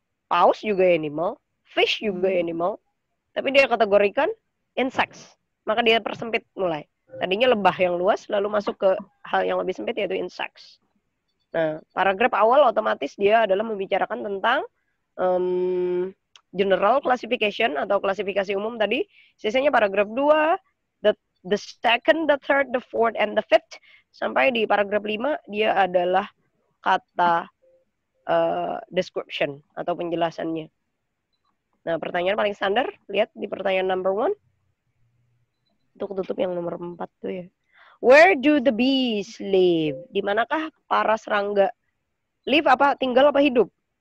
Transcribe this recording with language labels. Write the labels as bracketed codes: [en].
[id] Paus juga animal. Fish juga animal. Tapi dia kategorikan insects. Maka dia persempit mulai. Tadinya lebah yang luas, lalu masuk ke hal yang lebih sempit, yaitu insects. Nah, paragraf awal otomatis dia adalah membicarakan tentang general classification atau klasifikasi umum tadi. Sisanya paragraf 2, [en] the second, the third, the fourth, and the fifth. [id] Sampai di paragraf 5, dia adalah kata description atau penjelasannya. Nah, pertanyaan paling standar, lihat di pertanyaan number 1. Untuk tutup yang nomor 4 tuh ya. [en] Where do the bees live? [id] Di manakah para serangga live apa tinggal apa hidup?